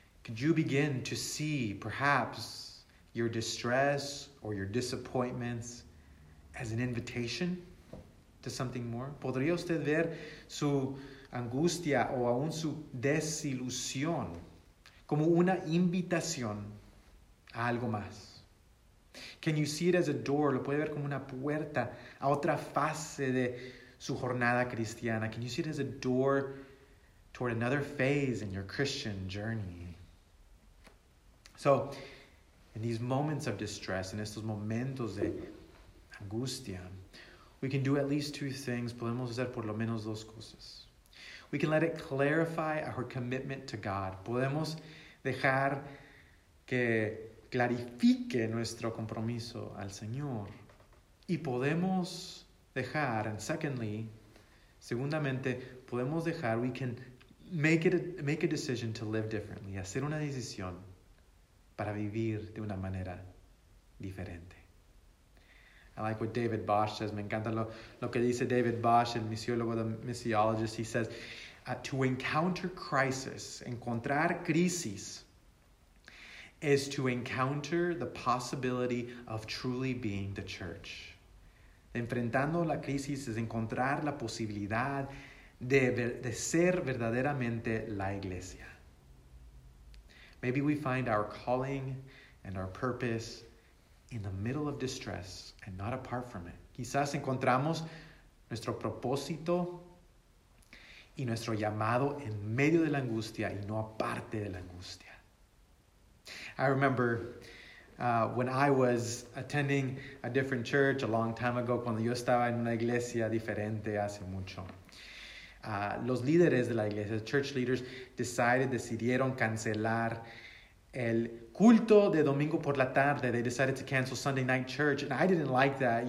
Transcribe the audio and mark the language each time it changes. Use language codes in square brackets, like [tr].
[en] Could you begin to see perhaps your distress or your disappointments as an invitation to something more? [es] ¿Podría usted ver su angustia o aún su desilusión como una invitación a algo más? [en] Can you see it as a door? [es] ¿Lo puede ver como una puerta a otra fase de su jornada cristiana? [en] Can you see it as a door toward another phase in your Christian journey? So, in these moments of distress, [es] en estos momentos de angustia, [en] we can do at least two things. [es] Podemos hacer por lo menos dos cosas. [en] We can let it clarify our commitment to God. [es] Podemos dejar que clarifique nuestro compromiso al Señor. Y podemos dejar, [en] and secondly, [es] segundamente, podemos dejar, [en] we can make a decision to live differently. [es] Hacer una decisión para vivir de una manera diferente. [en] I like what David Bosch says. [es] Me encanta lo que dice David Bosch, el misiólogo, [en] the missiologist. He says, to encounter crisis, [es] encontrar crisis, [en] is to encounter the possibility of truly being the church. [es] Enfrentando la crisis es encontrar la posibilidad de ser verdaderamente la iglesia. [en] Maybe we find our calling and our purpose in the middle of distress and not apart from it. [es] Quizás encontramos nuestro propósito y nuestro llamado en medio de la angustia y no aparte de la angustia. [en] I remember when I was attending a different church a long time ago, [es] cuando yo estaba en una iglesia diferente hace mucho. Los líderes de la iglesia, [en] church leaders, [es] decidieron cancelar el culto de domingo por la tarde. [en] They decided to cancel Sunday night church, and I didn't like that.